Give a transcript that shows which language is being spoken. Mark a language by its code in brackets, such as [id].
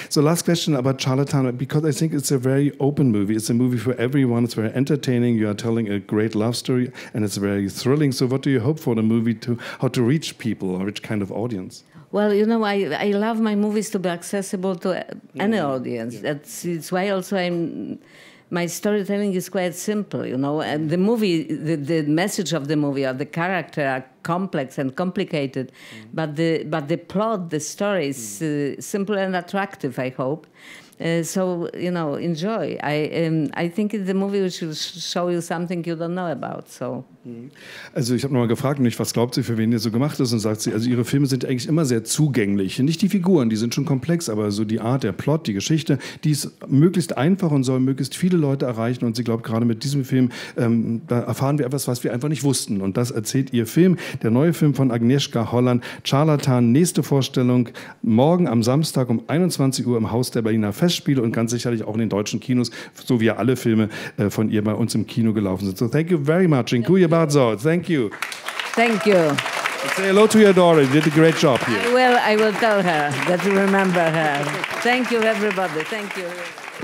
[en] So last question about Charlatan, because I think it's a very open movie. It's a movie for everyone. It's very entertaining. You are telling a great love story and it's very thrilling. So what do you hope for the movie to, how to reach people or which kind of audience? Well, you know, I love my movies to be accessible to any audience. Yeah. That's why also my storytelling is quite simple, you know. And the movie, the message of the movie or the character are complex and complicated, but the plot, the story is simple and attractive, I hope. So, you know, enjoy. I think it's the movie which will show you something you don't know about, so. [de] Also ich habe nochmal gefragt, nicht, was glaubt sie, für wen ihr so gemacht ist? Und sagt sie, also ihre Filme sind eigentlich immer sehr zugänglich. Nicht die Figuren, die sind schon komplex, aber so die Art, der Plot, die Geschichte, die ist möglichst einfach und soll möglichst viele Leute erreichen. Und sie glaubt, gerade mit diesem Film, da erfahren wir etwas, was wir einfach nicht wussten. Und das erzählt ihr Film, der neue Film von Agnieszka Holland, Charlatan. Nächste Vorstellung morgen am Samstag um 21 Uhr im Haus der Berliner Festspiele und ganz sicherlich auch in den deutschen Kinos, so wie alle Filme von ihr bei uns im Kino gelaufen sind. [en] So thank you very much. [pl] Bardzo, [en] thank you. Thank you. Say hello to your daughter. You did a great job here. I will tell her that you remember her. Thank you, everybody. Thank you.